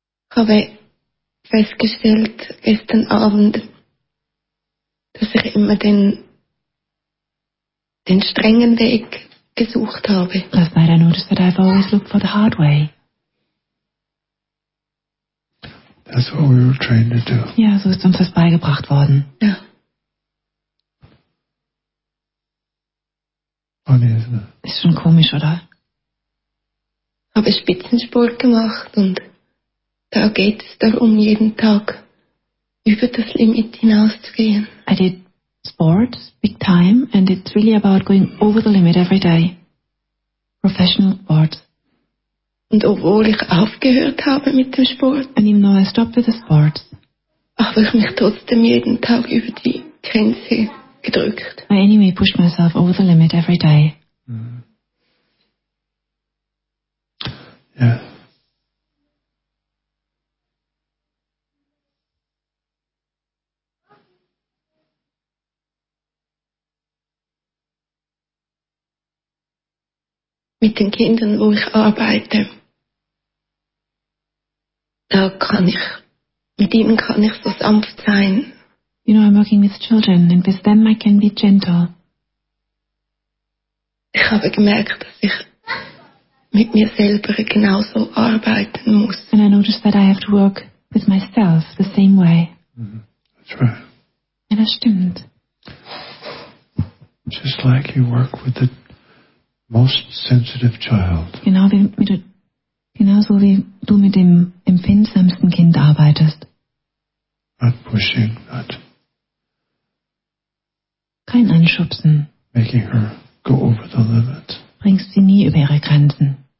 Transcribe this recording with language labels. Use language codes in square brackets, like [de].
[de] Ich habe festgestellt gestern Abend, dass ich immer den strengen Weg gesucht habe. [en] Last night I noticed that I've always looked for the hard way. That's what we were trained to do. [de] Ja, so ist uns das beigebracht worden. Ja. [en] Funny, isn't it? [de] Ist schon komisch, oder? Ich habe Spitzensport gemacht und da geht es darum, jeden Tag über das Limit hinauszugehen. [en] I did sports, big time, and it's really about going over the limit every day. Professional sports. [de] Und obwohl ich aufgehört habe mit dem Sport. [en] And even though I stopped with the sports. [de] Habe ich mich trotzdem jeden Tag über die Grenze gedrückt. [en] I anyway pushed myself over the limit every day. Mm-hmm. Yeah. [de] Mit den Kindern, wo ich arbeite, da kann ich, mit ihnen kann ich so sanft sein. [en] You know, I'm working with children, and with them I can be gentle. [de] Ich habe gemerkt, dass ich mit mir selber genauso arbeiten muss. [en] And I noticed that I have to work with myself the same way. Mm-hmm. That's right. [de] Ja, das stimmt. [en] Just like you work with the most sensitive child. [de] Genau wie du, genauso wie du mit dem empfindsamsten Kind arbeitest. [en] Not pushing, not. [de] Kein Anschubsen. [en] Making her go over the limit. [de] Bringst sie nie über ihre Grenzen.